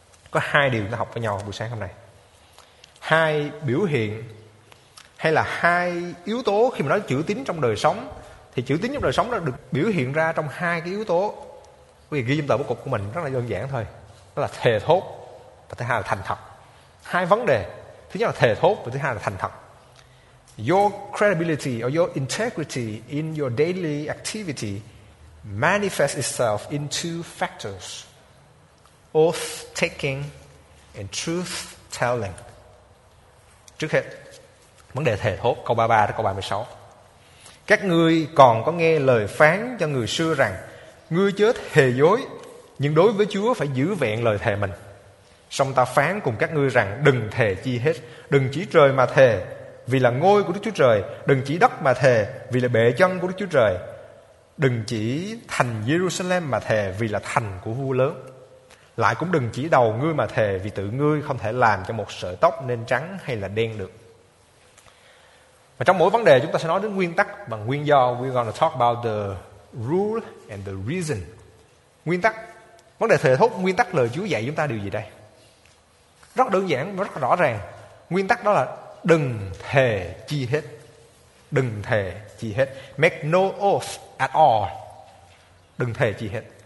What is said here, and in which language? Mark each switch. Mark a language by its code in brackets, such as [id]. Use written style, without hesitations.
[vi] Có hai điều chúng ta học với nhau buổi sáng hôm nay. Hai biểu hiện hay là hai yếu tố khi mà nói chữ tín trong đời sống, thì chữ tín trong đời sống đó được biểu hiện ra trong hai cái yếu tố. Quý vị ghi trong tờ bố cục của mình rất là đơn giản thôi, đó là thề thốt và thứ hai là thành thật. Hai vấn đề, thứ nhất là thề thốt và thứ hai là thành thật. [en] Your credibility or your integrity in your daily activity manifests itself in two factors: oath taking and truth telling. [vi] Trước hết, vấn đề thề thốt, câu 33 đến câu 36. Các ngươi còn có nghe lời phán cho người xưa rằng ngươi chớ thề dối, nhưng đối với Chúa phải giữ vẹn lời thề mình. Song ta phán cùng các ngươi rằng đừng thề chi hết, đừng chỉ trời mà thề vì là ngôi của Đức Chúa Trời, đừng chỉ đất mà thề vì là bệ chân của Đức Chúa Trời, đừng chỉ thành Jerusalem mà thề vì là thành của vua lớn. Lại cũng đừng chỉ đầu ngươi mà thề vì tự ngươi không thể làm cho một sợi tóc nên trắng hay là đen được. Và trong mỗi vấn đề chúng ta sẽ nói đến nguyên tắc và nguyên do. [en] We're going to talk about the rule and the reason. [vi] Nguyên tắc, vấn đề thề thốt, nguyên tắc lời Chúa dạy chúng ta điều gì đây? Rất đơn giản và rất rõ ràng. Nguyên tắc đó là đừng thề chi hết. Đừng thề chi hết. [en] Make no oath at all. [vi] Đừng thề chi hết.